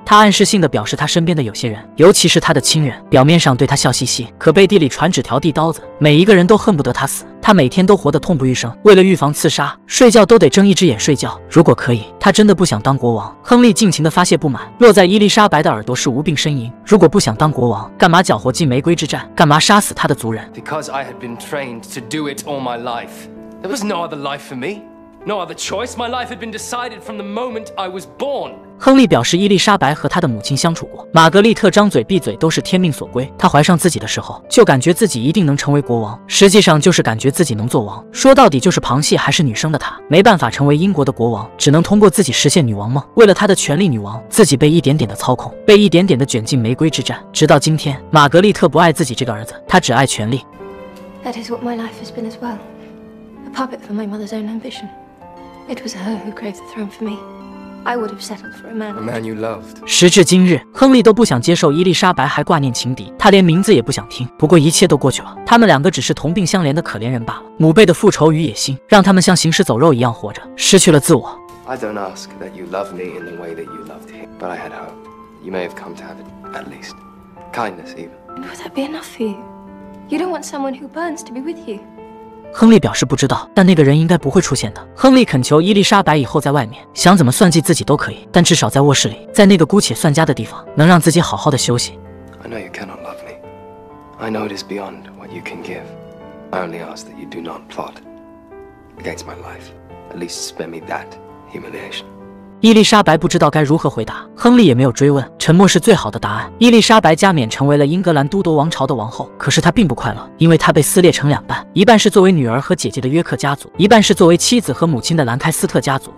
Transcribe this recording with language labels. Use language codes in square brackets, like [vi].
[zh] 他暗示性的表示他身边的有些人，尤其是他的亲人，表面上对他笑嘻嘻，可背地里传纸条递刀子，每一个人都恨不得他死。他每天都活得痛不欲生，为了预防刺杀，睡觉都得睁一只眼睡觉。如果可以，他真的不想当国王。亨利尽情的发泄不满，落在伊丽莎白的耳朵是无病呻吟。如果不想当国王，干嘛搅和进玫瑰之战？干嘛杀死他的族人？ [en] Because I had been trained to do it all my life. There was no other life for me. No other choice. My life had been decided from the moment I was born. [zh] 亨利表示伊丽莎白和他的母亲相处过，玛格丽特张嘴闭嘴都是天命所归，他怀上自己的时候就感觉自己一定能成为国王，实际上就是感觉自己能做王，说到底就是旁系还是女生的他，没办法成为英国的国王，只能通过自己实现女王梦。为了他的权力，女王自己被一点点的操控，被一点点的卷进玫瑰之战，直到今天。玛格丽特不爱自己这个儿子，他只爱权力。 [en] That is what my life has been as well. A puppet for my mother's own ambition. It was her who craved the throne for meI would have settled for a man you loved. [zh] 时至今日，亨利都不想接受伊丽莎白还挂念情敌，他连名字也不想听。不过一切都过去了，他们两个只是同病相怜的可怜人罢了。母辈的复仇与野心让他们像行尸走肉一样活着，失去了自我。 [en] I don't ask that you love me in the way that you loved him, but I had hope. You may have come to have it, at least. Kindness even. Would that be enough for you? You don't want someone who burns to be with you. [zh] 亨利表示不知道，但那个人应该不会出现的。亨利恳求伊丽莎白以后在外面想怎么算计自己都可以，但至少在卧室里，在那个姑且算家的地方，能让自己好好的休息。 [en] I know you cannot love me. I know it is beyond what you can give. I only ask that you do not plot against my life. At least spare me that humiliation. [zh] 伊丽莎白不知道该如何回答，亨利也没有追问，沉默是最好的答案。伊丽莎白加冕成为了英格兰都铎王朝的王后，可是她并不快乐，因为她被撕裂成两半，一半是作为女儿和姐姐的约克家族，一半是作为妻子和母亲的兰开斯特家族。